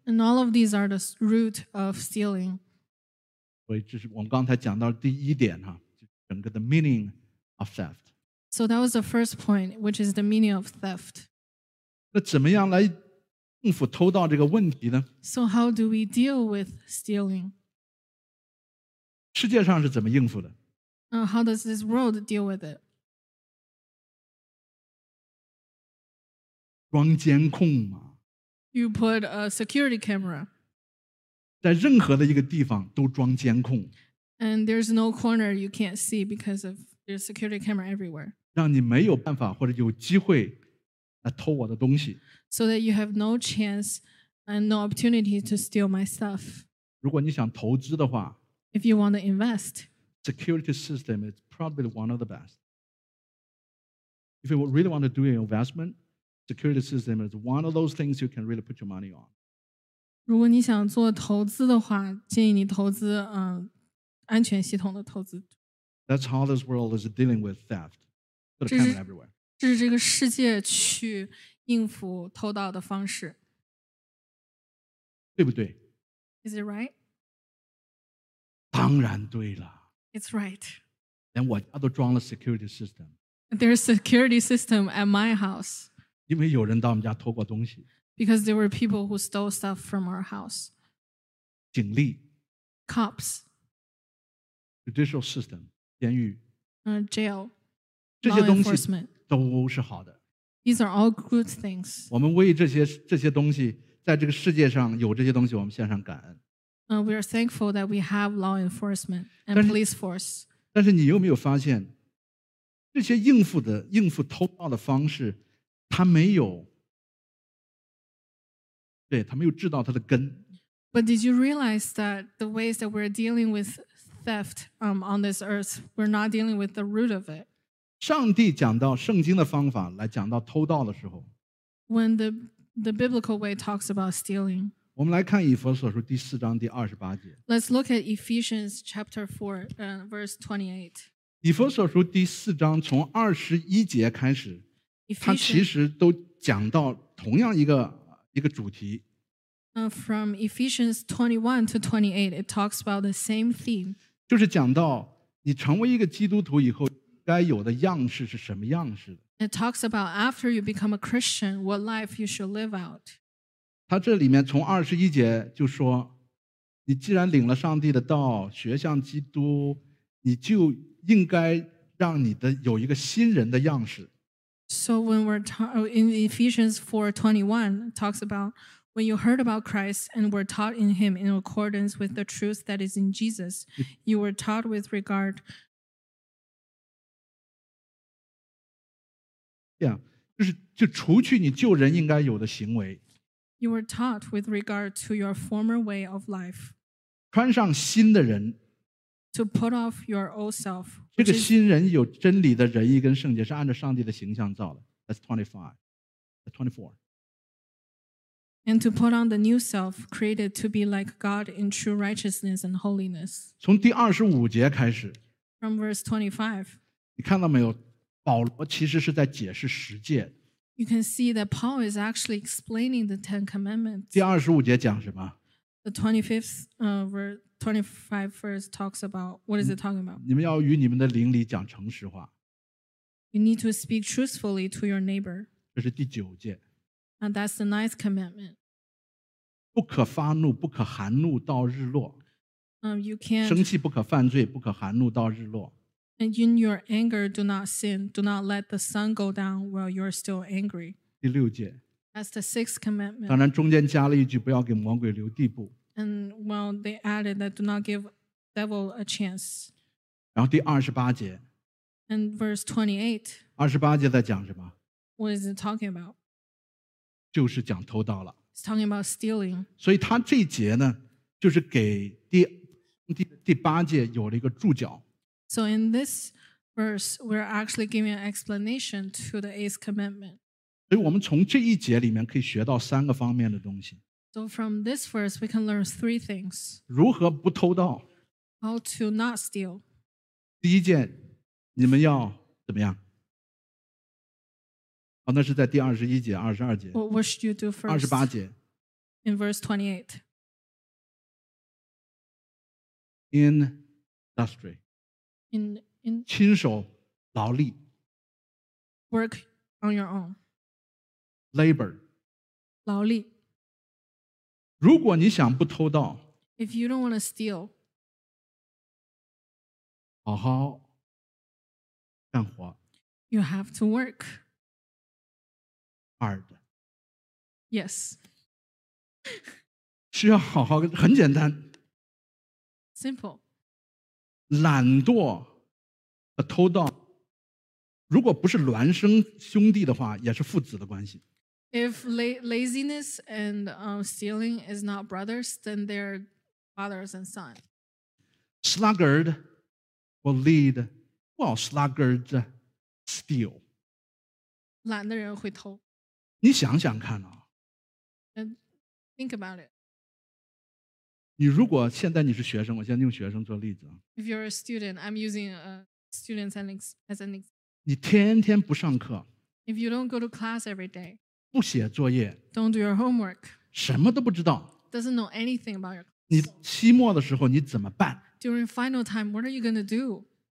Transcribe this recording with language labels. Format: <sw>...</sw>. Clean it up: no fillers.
<en>And all of these are the root of stealing.</en> <zh>所以这是我们刚才讲到第一点哈，整个的</zh> <en>meaning of theft. So that was the first point, which is the meaning of theft.</en> <zh>那怎么样来应付偷盗这个问题呢？</zh> <en>So how do we deal with stealing?</en> <zh>世界上是怎么应付的？</zh> <en>How does this world deal with it?</en> <zh>装监控吗？</zh> <en>You put a security camera.</en> <zh>在任何的一个地方都装监控。</zh> <en>And there's no corner you can't see because of there's security camera everywhere.</en> <zh>让你没有办法或者有机会来偷我的东西。</zh> <en>So that you have no chance and no opportunity to steal my stuff.</en> <zh>如果你想投资的话，</zh> <en>If you want to invest, security system is probably one of the best. If you really want to do an investment, security system is one of those things you can really put your money on.</en> <zh>如果你想做投资的话，建议你投资安全系统的投资。</zh> <en>That's how this world is dealing with theft. Put a camera everywhere.</en> <zh>这是这个世界去应付偷盗的方式。对不对？</zh> <en>Is it right?</en> <zh>当然对了。</zh> <en>It's right.</en> <zh>连我家都装了 security system.</zh> <en>There's a security system at my house.</en> <zh>因为有人到我们家偷过东西。</zh> <en>Because there were people who stole stuff from our house.</en> <zh>警力。</zh> <en>Cops. Judicial system. 监狱。 Jail.</en> <zh>Law enforcement. 这些东西都是好的。</zh> <en>These are all good things.</en> <zh>我们为这些东西，在这个世界上有这些东西，我们献上感恩。</zh> <en>We are thankful that we have law enforcement and police force.</en> <zh>但是你有没有发现，这些应付偷盗的方式，它没有治到它的根。</zh> <en>But did you realize that the ways that we're dealing with theft on this earth, we're not dealing with the root of it?</en> <zh>上帝讲到圣经的方法来讲到偷盗的时候，</zh> <en>When the biblical way talks about stealing.</en> <zh>我们来看以弗所书第四章第二十八节。</zh> <en>Let's look at Ephesians chapter 4, verse 28.</en> <zh>以弗所书第四章从二十一节开始，它其实都讲到同样一个主题。</zh> <en>From Ephesians 21 to 28, it talks about the same theme.</en> <zh>就是讲到你成为一个基督徒以后该有的样式是什么样式的。</zh> <en>It talks about after you become a Christian, what life you should live out.</en> <zh>他这里面从二十一节就说，你既然领了上帝的道，学像基督，你就应该让你的有一个新人的样式。</zh> <en>So when we're in Ephesians 4:21 talks about when you heard about Christ and were taught in Him in accordance with the truth that is in Jesus, you were taught with regard.</en> <zh>Yeah, 就除去你旧人应该有的行为。</zh> <en>You were taught with regard to your former way of life.</en> <zh>穿上新的人。</zh> <en>To put off your old self.</en> <zh>这个新人有真理的仁义跟圣洁，是按照上帝的形象造的。</zh> <en>That's 25. That's 24. And to put on the new self, created to be like God in true righteousness and holiness.</en> <zh>从第二十五节开始。</zh> <en>From verse 25.</en> <zh>你看到没有？保罗其实是在解释十诫。</zh> <en>You can see that Paul is actually explaining the Ten Commandments.</en> <zh>第二十五节讲什么？</zh> <en>The 25th verse talks about, what is it talking about?</en> <zh>你们要与你们的邻里讲诚实话。</zh> <en>You need to speak truthfully to your neighbor.</en> <zh>这是第九节。</zh> <en>And that's the 9th commandment.</en> <zh>不可发怒，不可含怒到日落。</zh> <en>You can't...</en> <zh>生气不可犯罪，不可含怒到日落。</zh> <en>And in your anger, do not sin. Do not let the sun go down while you're still angry.</en> <zh>第六节。</zh> <en>That's the 6th commandment.</en> <zh>当然中间加了一句不要给魔鬼留地步。</zh> <en>And well, they added that do not give devil a chance.</en> <zh>然后第二十八节。</zh> <en>And verse 28.</en> <zh>二十八节在讲什么？</zh> <en>What is it talking about?</en> <zh>就是讲偷盗了。</zh> <en>It's talking about stealing.</en> <zh>所以他这节呢，就是给第八节有了一个注脚。</zh> <en>So in this verse, we're actually giving an explanation to the 8th commandment.</en> <zh>所以我们从这一节里面可以学到三个方面的东西。</zh> <en>So from this verse, we can learn three things.</en> <zh>如何不偷盗？</zh> <en>How to not steal.</en> <zh>第一件，你们要怎么样？那是在第二十一节、二十二节。</zh> <en>Well, what should you do first?</en> <zh>二十八节。</zh> <en>In verse 28. Industry. In</en> <zh>亲手劳力</zh> <en>work on your own labor</en> <zh>劳力如果你想不偷盗</zh> <en>if you don't want to steal</en> <zh>好好干活。</zh> <en>You have to work. Hard. Yes.</en> <zh>需要好好，很简单。</zh> <en>Simple.</en> <zh>懒惰，不偷盗。如果不是孪生兄弟的话，也是父子的关系。</zh> <en>If laziness and stealing is not brothers, then they're fathers and sons. Sluggard will lead while sluggards steal.</en> <zh>懒的人会偷。你想想看啊。</zh> <en>And think about it.</en> <zh>你如果现在你是学生，我现在用学生做例子。</zh> <en>If you're a student, I'm using a student as an example.</en> <zh>你天天不上课。</zh> <en>If you don't go to class every day.</en> <zh>不写作业</zh> <en>Don't do your homework.</en> <zh>什么都不知道</zh> <en>Doesn't know anything about your class.</en> <zh>你期末的时候你怎么办</zh> <en>During final time, what are you going to do?</en>